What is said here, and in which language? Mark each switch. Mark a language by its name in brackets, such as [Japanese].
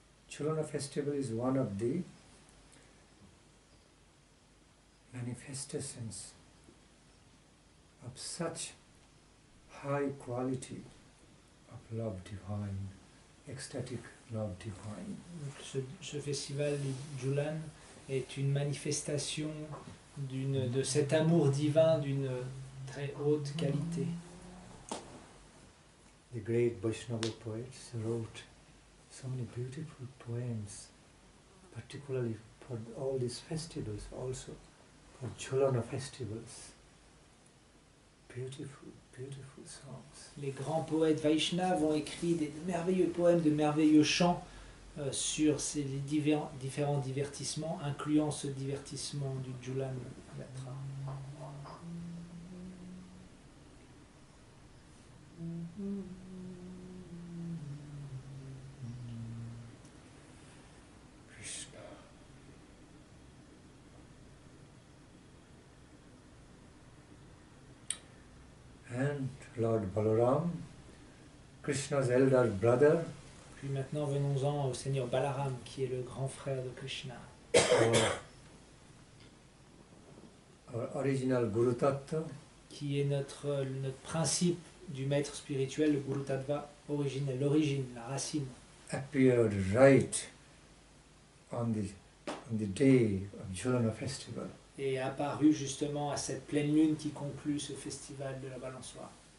[English] Cholona festival is one of the manifestations of such high quality of love divine, ecstatic love divine. [French] Ce festival de Julan est une manifestation de cet amour divin d'une très haute qualité. [English] The great Vaishnava poets wrote so many beautiful poems, particularly for all these festivals also, for Cholona festivals. Beautiful, beautiful songs. [French] Les grands poètes Vaishnavas ont écrit des merveilleux poèmes, de merveilleux chants sur ces différents divertissements, incluant ce divertissement du Julan Yatra. [English] And Lord Balaram, Krishna's elder brother. [French] Puis maintenant venons-en au Seigneur Balaram, qui est le grand frère de Krishna. [English] Our original Guru Tattva. [French] Qui est notre principe du maître spirituel, le Guru Tattva originel, l'origine, la racine. [English] Appeared right on the day of Cholona festival. [French] Et apparu justement à cette pleine lune qui conclut ce festival de la balançoire.